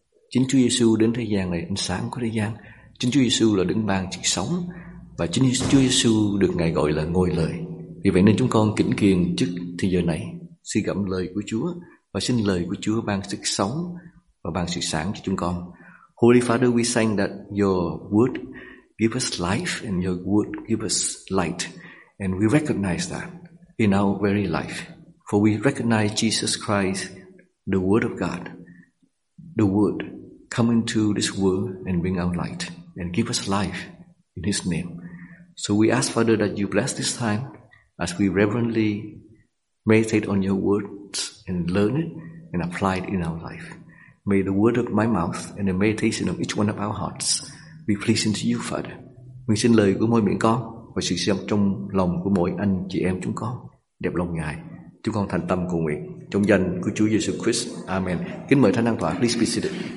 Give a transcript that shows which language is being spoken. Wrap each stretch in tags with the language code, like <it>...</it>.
<vi>Chính Chúa Giêsu đến thế gian này ánh sáng của thế gian. Chính Chúa Giêsu là đấng ban sự sống, và chính Chúa Giêsu được Ngài gọi là ngôi lời. Vì vậy nên chúng con kính kiền trước thì giờ này suy gẫm lời của Chúa, và xin lời của Chúa ban sức sống và ban sự sáng cho chúng con.</vi> <en>Holy Father, we sang that your word give us life and your word give us light, and we recognize that in our very life, for we recognize Jesus Christ, the Word of God, the Word come into this world and bring our light and give us life in His name. So we ask, Father, that you bless this time as we reverently meditate on your words and learn it and apply it in our life. May the word of my mouth and the meditation of each one of our hearts be pleasing to you, Father.</en> <vi>Nguyện xin lời của mỗi miệng con và sự xem trong lòng của mỗi anh chị em chúng con đẹp lòng Ngài. Chúng con thành tâm cầu nguyện trong danh của Chúa Giêsu Christ. Amen. Kính mời thánh an tòa,</vi> <en>please be seated.</en>